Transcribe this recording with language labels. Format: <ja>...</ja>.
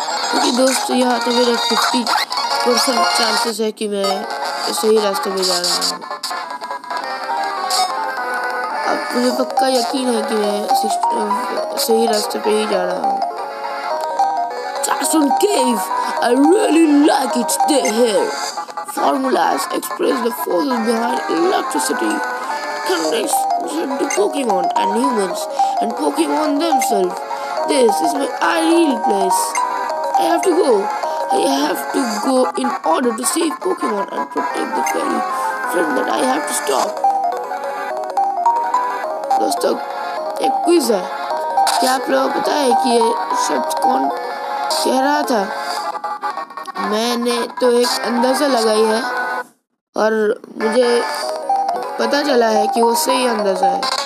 <hi>क्योंकि दोस्त यहाँ तो मेरा 50% चांसेस है कि मैं सही रास्ते में जा रहा हूँ अब मुझे पक्का यकीन है कि मैं सही रास्ते पे ही जा रहा हूँ Jackson Cave,</hi> <en>I really like it there. Formulas express the forces behind electricity, connection to Pokemon and humans, and Pokemon themselves. This is my ideal place. I have to go in order to save Pokemon and protect the fairy friend that I have to stop.</en> <hi>दोस्तों, एक quiz है. क्या आप लोगों को पता है कि ये शब्द कौन कह रहा था? मैंने तो एक अंदाजा लगाई है और मुझे पता चला है कि वो सही अंदाजा है</hi>